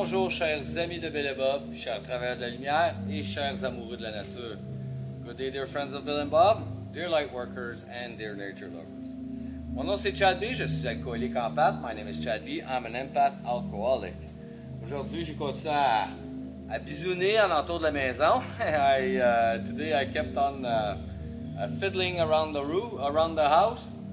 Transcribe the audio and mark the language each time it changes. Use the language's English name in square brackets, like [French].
[French] chers amis de Bill & Bob, chers travailleurs de la lumière et chers amoureux de la nature. [English] Good day, dear friends of Bill & Bob, dear light workers and dear nature lovers. [French] Mon nom c'est Chad B, je suis alcoolique empath. [English] My name is Chad B, I'm an empath alcoholic. [French] Aujourd'hui, j'ai continué à bisouner en entour de la maison. [English] Today I kept on fiddling around the room, around the house.